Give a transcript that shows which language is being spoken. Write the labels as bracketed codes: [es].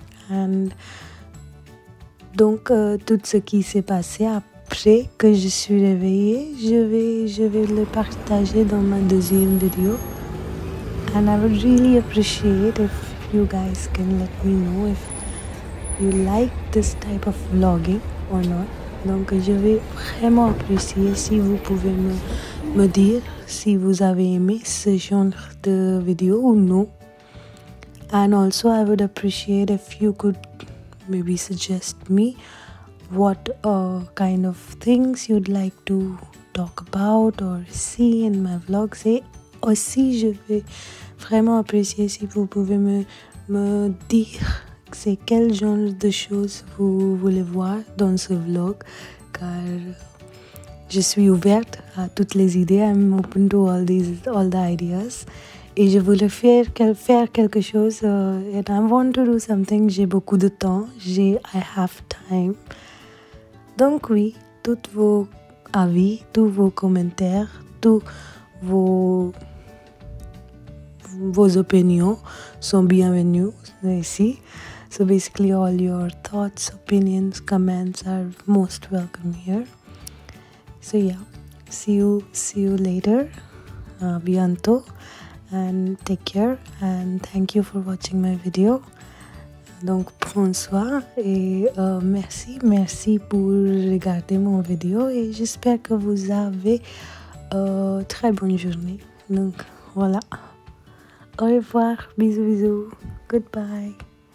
[fr] And donc tout ce qui s'est passé après que je suis réveillée, je vais le partager dans ma deuxième vidéo. [en] And I would really appreciate if you guys can let me know if you like this type of vlogging or not. [fr] Donc, je vais vraiment apprécier si vous pouvez me dire si vous avez aimé ce genre de vidéo ou non. [en] And also, I would appreciate if you could maybe suggest me what kind of things you'd like to talk about or see in my vlogs. [fr] Et aussi, je vais vraiment apprécier si vous pouvez me dire c'est quel genre de choses vous voulez voir dans ce vlog, car je suis ouverte à toutes les idées. [en] I'm open to all the ideas. [fr] Et je voulais faire quelque chose. [en] And I want to do something. [fr] J'ai beaucoup de temps. [en] I have time. [fr] Donc oui, tous vos avis, tous vos commentaires, tous vos opinions sont bienvenus ici. [en] So basically, all your thoughts, opinions, comments are most welcome here. So yeah, see you later. [fr] Bientôt. [en] And take care, and thank you for watching my video. [fr] Donc prends soin et merci pour regarder mon vidéo, et j'espère que vous avez très bonne journée. Donc voilà, au revoir, bisous, [en] goodbye.